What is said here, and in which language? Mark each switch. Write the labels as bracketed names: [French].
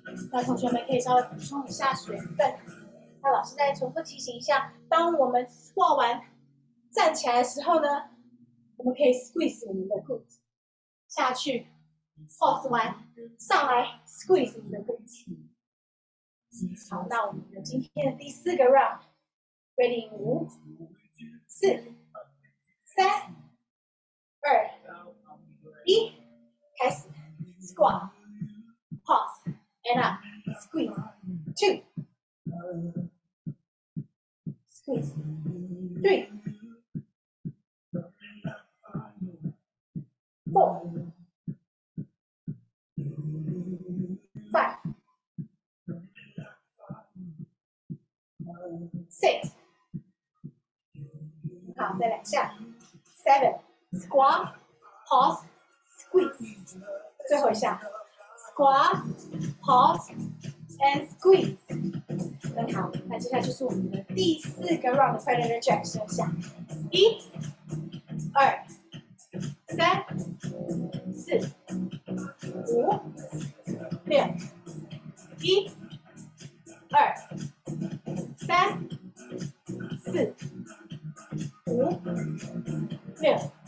[Chinese] 那同学们可以稍微补充一下水分。那老师再重复提醒一下，当我们 squat 完站起来的时候呢，我们可以 squeeze 我们的 glute 下去 ，pause 完上来 squeeze 我们的 glute。好，那我们的今天的第四个 round， ready 五、四、三。二一开始 [English] squat pause and up squeeze two squeeze three four five six [Chinese] 好，再两下 [English] seven Squat, pause, squeeze. [Chinese] 最后一下 [English] Squat, pause, and squeeze. [Chinese] 很好，那接下来就是我们的第四个 round 的 Predator Jack 休息。一、二、三、四、五、六、一、二、三、四、五、六。